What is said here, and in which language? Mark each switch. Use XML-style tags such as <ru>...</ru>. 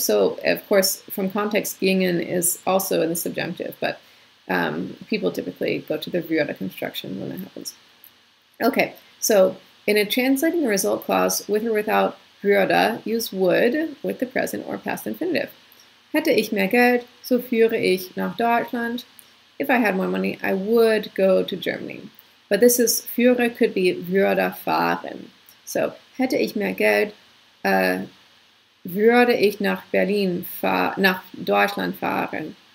<en>So, of course, from context, gingen is also in the subjunctive, but people typically go to the würde construction when that happens. Okay, so in a translating result clause, with or without würde, use would with the present or past infinitive.</en> <de>Hätte ich mehr Geld, so führe ich nach Deutschland.</de> <en>If I had more money, I would go to Germany. But this is, führe could be würde fahren.</en> <de>So, hätte ich mehr Geld, würde ich nach Berlin fahren, nach Deutschland fahren.</de>